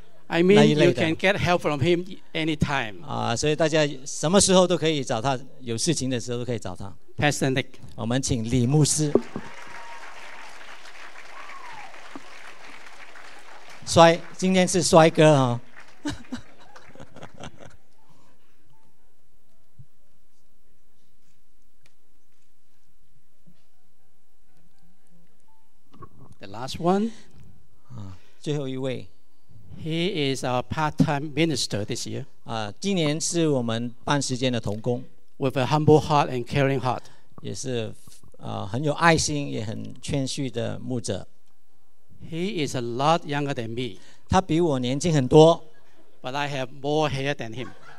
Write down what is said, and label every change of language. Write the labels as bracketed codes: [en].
[en] I mean, you can get help from him anytime. [zh] 所以大家什么时候都可以找他，有事情的时候都可以找他。 [en] Pastor Nick， [zh] 我们请李牧师，帅，今天是帅哥哈。 [en] The last one. [zh] 最后一位 [en] He is our part-time minister this year [zh] 今年是我们半时间的同工 [en] With a humble heart and caring heart [zh] 也是很有爱心也很谦虚的牧者 [en] He is a lot younger than me [zh] 他比我年轻很多 [en] But I have more hair than him